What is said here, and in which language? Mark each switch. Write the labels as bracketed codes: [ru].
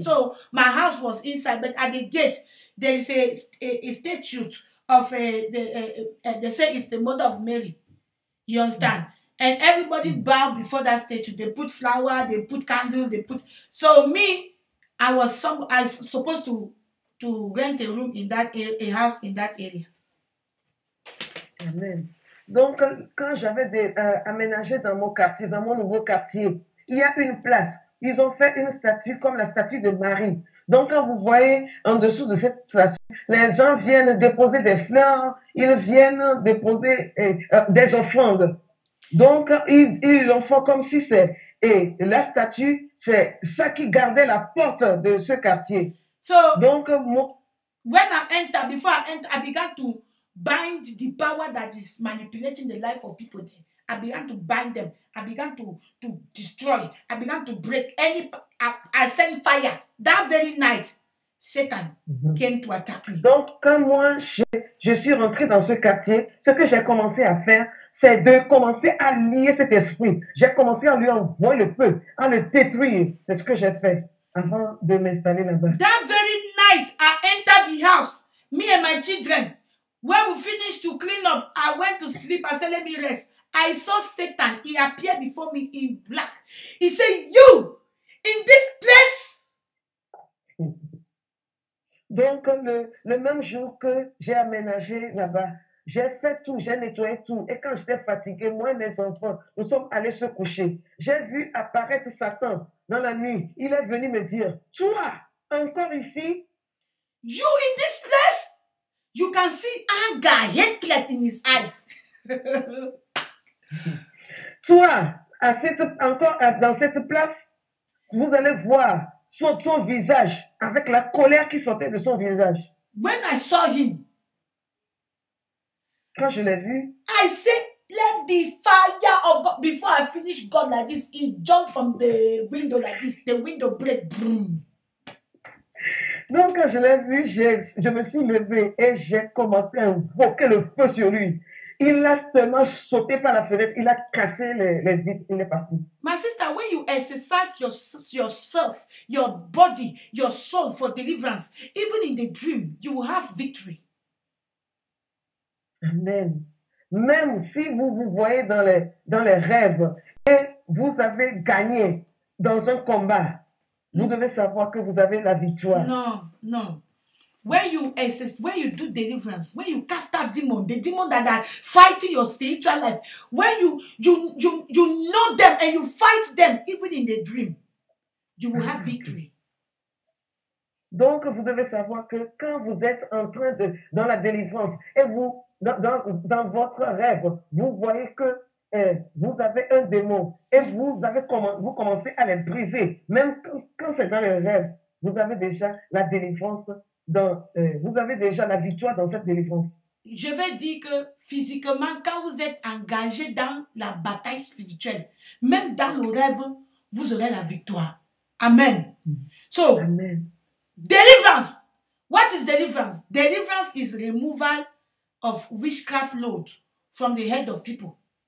[en] So my house was inside, but at the gate there is a statue of they say it's the mother of Mary. You understand? Mm-hmm. And everybody bowed before that statue. They put flower, they put candle, they put. So me, I was supposed to rent a room in that a house in that area. Amen. [fr] Donc quand j'avais aménagé dans mon quartier, dans mon nouveau quartier, il y a une place. Ils ont fait une statue comme la statue de Marie. Donc quand vous voyez en dessous de cette statue, les gens viennent déposer des fleurs, ils viennent déposer des offrandes. Donc, ils l'ont fait comme si c'est... Et la statue, c'est ça qui gardait la porte de ce quartier. [en] So, [fr] donc, [en] when I enter, before I enter, I began to bind the power that is manipulating the life of people there. I began to bind them. I began to destroy. I began to break any... I sent fire. That very night, Satan came to attack me. [fr] Donc, quand moi, je suis rentré dans ce quartier, ce que j'ai commencé à faire... C'est de commencer à lier cet esprit. J'ai commencé à lui envoyer le feu, à le détruire. C'est ce que j'ai fait avant de m'installer là-bas. [en] That very night, I entered the house. Me and my children. When we finished to clean up, I went to sleep. I said, let me rest. I saw Satan. He appeared before me in black. He said, you, in this place. [fr] Donc, le même jour que j'ai aménagé là-bas, j'ai fait tout, j'ai nettoyé tout. Et quand j'étais fatiguée, moi et mes enfants, nous sommes allés se coucher. J'ai vu apparaître Satan dans la nuit. Il est venu me dire, toi, encore ici? [en] You in this place? You can see anger, hatred in his eyes. [fr] Toi, encore dans cette place, vous allez voir son visage avec la colère qui sortait de son visage. [en] When I saw him, [fr] quand je l'ai vu, [en] I said, let the fire of God, before I finish God like this, he jumped from the window like this, the window break, boom. [fr] Donc quand je l'ai vu, je me suis levé et j'ai commencé à invoquer le feu sur lui. Il a seulement sauté par la fenêtre, il a cassé les vitres, il est parti. [en] My sister, when you exercise yourself, your body, your soul for deliverance, even in the dream, you will have victory. Amen. [fr] Même si vous vous voyez dans les rêves et vous avez gagné dans un combat, vous devez savoir que vous avez la victoire. Non. [en] When you assist, when you do deliverance, when you cast out demons, the demons that are fighting your spiritual life, when you know them and you fight them even in the dream, you will have victory. [fr] Donc, vous devez savoir que quand vous êtes en train de, dans la délivrance, et vous, dans votre rêve, vous voyez que vous avez un démon, et vous commencez à les briser, même quand c'est dans les rêves, vous avez déjà la délivrance, vous avez déjà la victoire dans cette délivrance. Je vais dire que physiquement, quand vous êtes engagé dans la bataille spirituelle, même dans le rêve, vous aurez la victoire. [en] Amen. So, amen. Deliverance. What is deliverance? Deliverance is removal of witchcraft load from the head of people.